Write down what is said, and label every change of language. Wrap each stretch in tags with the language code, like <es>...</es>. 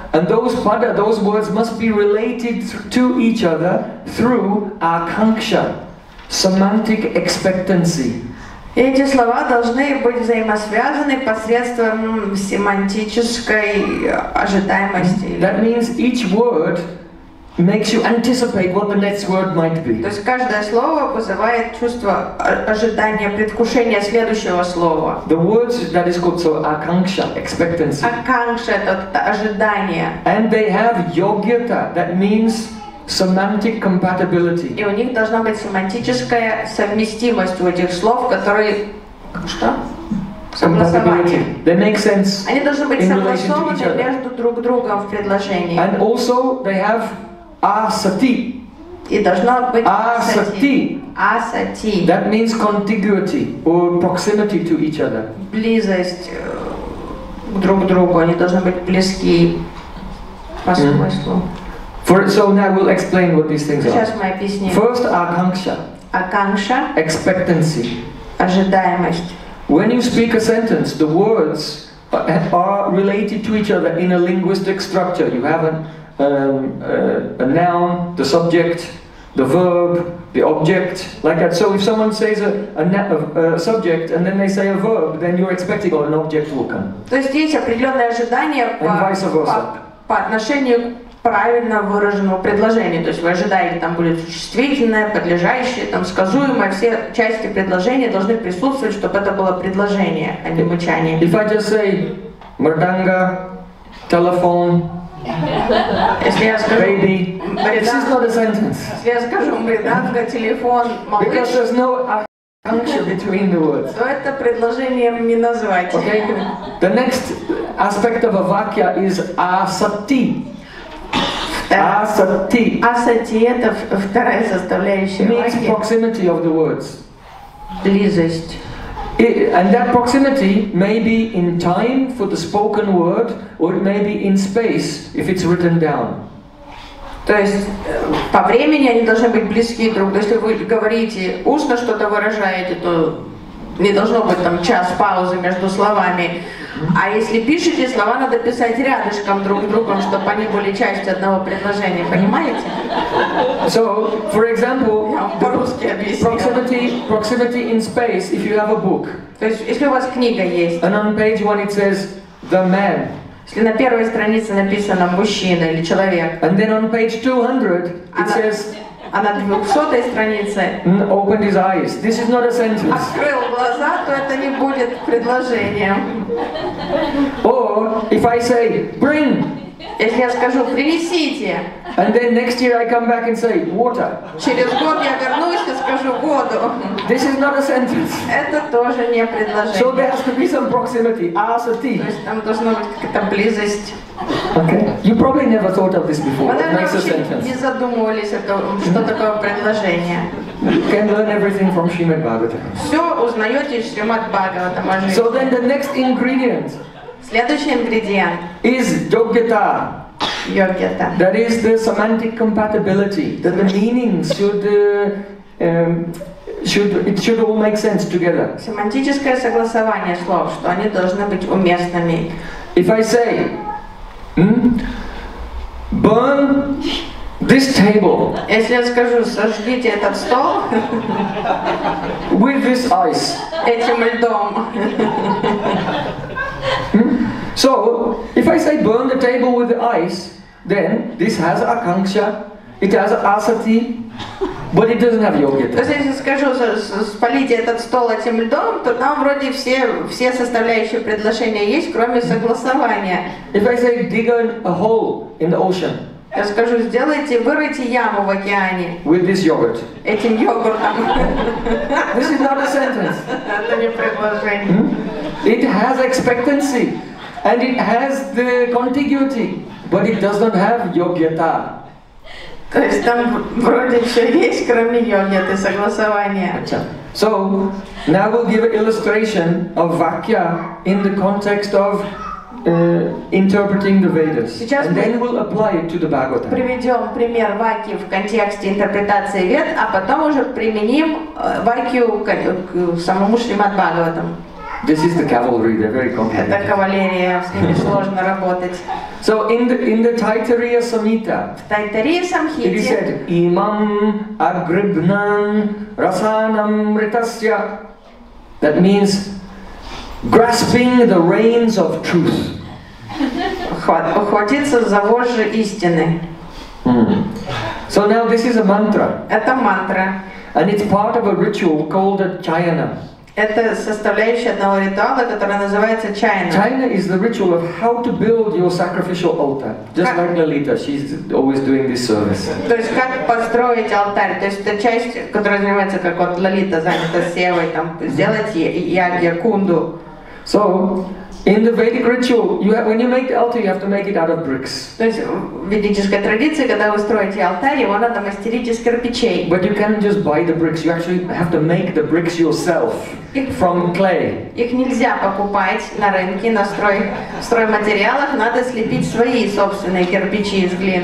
<en>And those pada, those words must be related to each other through akanksha, semantic expectancy.</en> <ru>И эти слова должны быть взаимосвязаны посредством семантической ожидаемости.</ru> <en>That means each word makes you anticipate what the next word might be.</en> <ru>То есть каждое слово вызывает чувство ожидания, предвкушения следующего слова.</ru> <en>The words that is called so akanksha, expectancy.</en> <ru>Akanksha это ожидание.</ru> <en>And they have yogyata, that means semantic compatibility.</en> <ru>И у них должна быть семантическая совместимость у этих слов, которые что? Согласование.</ru> <en>They make sense.</en> <ru>Они должны быть согласованы между друг другом в предложении.</ru> <en>And also they have asati.</en> <ru>И должно быть asati.</ru> <en>Asati. That means contiguity or proximity to each other.</en> <ru>Близость друг к другу. Они должны быть близки по смыслу.</ru> <en>So now we'll explain what these things</en> <ru>сейчас</ru> <en>are.</en> <ru>Сейчас мы объясним.</ru> <en>First, akanksha. Akanksha. Expectancy.</en> <ru>Ожидаемость.</ru> <en>When you speak a sentence, the words are related to each other in a linguistic structure. You have a noun, the subject, the verb, the object, like that. So if someone says a subject and then they say a verb, then you're expecting an object will come.</en> <ru>То есть есть определенные ожидания по отношению к правильно выраженному предложению. То есть вы ожидаете, там будет существительное, подлежащее, там сказуемое. Все части предложения должны присутствовать, чтобы это было предложение, а не мычание.</ru> <en>If I just say mardanga, telephone.</en> <ru>Если я скажу,</ru> <en>baby, this is not a sentence.</en> <ru>Если я скажу, мриданга, телефон, малыш.</ru> <en>Because there's no function between the words.</en> <ru>То это предложением не назвать.</ru> <en>Okay. The next aspect of a vakya is asati. Asati.</en> <ru>Asati – это вторая составляющая</ru> <en>vakya. Means proximity of the words.</en> <ru>Близость.</ru> <en>It, and that proximity may be in time for the spoken word, or it may be in space if it's written down.</en> <ru>То есть по времени они должны быть близки друг другу. Если вы говорите устно что-то выражаете, то не должно быть там час паузы между словами. А если пишете слова, надо писать рядышком друг с другом, чтобы они были частью одного предложения. Понимаете?</ru> <en>So, for example,</en> <ru>по-русски объясню.</ru> <en>Proximity in space, if you have a book.</en> <ru>То есть, если у вас книга есть.</ru> <en>And on page one it says, the man.</en> <ru>Если на первой странице написано мужчина или человек.</ru> <en>And then on page 200 it says...</en> <ru>А на 200-й странице...</ru> <en>Opened his eyes. This is not a sentence.</en> <ru>Открыл глаза, то это не будет предложением.</ru> <en>Or, if I say, bring.</en> <ru>Если я скажу, принесите.</ru> <en>And then next year I come back and say, water.</en> <ru>Через год я вернусь и скажу, воду.</ru> <en>This is not a sentence.</en> <ru>Это тоже не предложение.</ru> <en>So there has to be some proximity. Asati.</en> <ru>То есть там должна быть какая-то близость.</ru> <en>Okay. You probably never thought of this before.</en> <ru>Вы даже вообще не задумывались о том, что такое предложение.</ru> <en>You can learn everything from Shrimad Bhagavatam.</en> <ru>Все узнаете из Shrimad Bhagavatam.</ru> <en>So then the next ingredient.</en> <ru>Следующий ингредиент.</ru> <en>Is yogyata. Yogyata. That is the semantic compatibility. That the meaning should all make sense together.</en> <ru>Семантическое согласование слов, что они должны быть уместными.</ru> <en>If I say burn this table.</en> <ru>Если я скажу, сожгите этот стол.</ru> <en>With this ice.</en> <ru>Этим льдом.</ru> <en>So, if I say burn the table with the ice, then this has akanksha, it has asati, but it doesn't have yogyata.</en> <ru>То есть, если скажу, спалите этот стол этим льдом, то там вроде все составляющие предложения есть, кроме согласования.</ru> <en>If I say dig a hole in the ocean.</en> <ru>Я скажу, сделайте, вырыйте яму в океане.</ru> <en>With this yogurt.</en> <ru>Этим йогуртом.</ru> <en>This is not a sentence.</en> <ru>Это не предложение.</ru> <en>It has expectancy. And it has the contiguity, but it does not have yogyata.</en> <ru>То есть там вроде все есть, кроме йогиты, согласования.</ru> <en>So, now we'll give an illustration of vakya in the context of interpreting the Vedas.</en> <ru>Сейчас</ru> <en>and then we'll apply it to the Bhagavatam.</en> <ru>Приведем пример вакьи в контексте интерпретации Вед, а потом уже применим вакью к самому Шримад Бхагаватам.</ru> <en>This is the cavalry. They're very complicated.</en> <ru>Это кавалерия, с ними сложно работать.</ru> <en>So in the Taittiriya Samhita.</en> <ru>В Taittiriya Samhita.</ru> <en>It is said, imam agribnam rasanam ritasya. That means grasping the reins of truth.</en> <ru>Ухватиться за вожжи истины.</ru> <en>So now this is a mantra.</en> <ru>Это мантра.</ru> <en>And it's part of a ritual called a chayana.</en> <ru>Это составляющая одного ритуала, который называется чайна.</ru> <en>Чайна is the ritual of how to build your sacrificial altar. Just</en> <ru>как?</ru> <en>Like Lalita, she's always doing this service.</en> <ru>То есть как построить алтарь? То есть это часть, которая занимается, как вот Лалита занята севой, там сделать ягья кунду.</ru> <en>So In the Vedic ritual, when you make the altar, you have to make it out of bricks.</en> <ru>То есть в ведической традиции, когда вы строите алтарь, его надо мастерить из кирпичей.</ru> <en>But you can't just buy the bricks. You actually have to make the bricks yourself from clay.</en> <ru>Их нельзя покупать на рынке на стройматериалах. Надо слепить свои собственные кирпичи из глины.</ru>